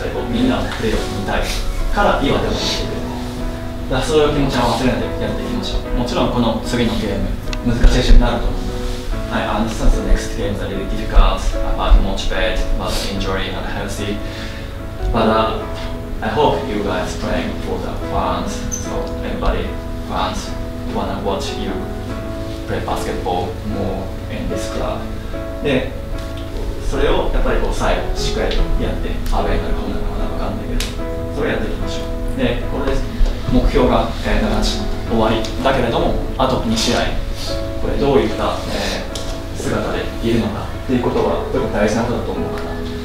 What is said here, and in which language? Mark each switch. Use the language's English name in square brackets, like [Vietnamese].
[Japanese] みんなプレーを見たいから言われてるので、そういう気持ちを忘れないでやっていきましょう。もちろんこの次のゲーム難しい試合になると思う。 [English] I understand the next games are really difficult, about much bad, about injury and healthy. But I hope you guys playing for the fans, so everybody fans wanna watch you play basketball more in this club. [Japanese] で、それをやっぱりこう最後しっかりとやって、アウェイになるかもなかなかわかんないけど、それをやっていきましょう。で、これで目標が7時終わりだけれども、あと2試合、これどういった、姿でいるのかっていうことはとても大事なことだと思うから。